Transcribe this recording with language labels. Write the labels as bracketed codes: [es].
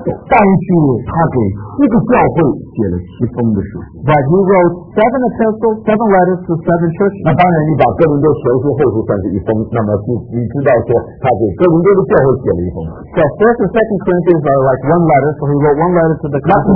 [zh] 但是他给一个教会写了七封的书。 [en] But he wrote seven epistles, seven letters to seven churches. [zh] 那当然，你把哥林多前书、后书算是一封，那么你知道说他给哥林多的教会写了一封。 [en] So first and second Corinthians are like one letter, so he wrote one letter to the Corinthians.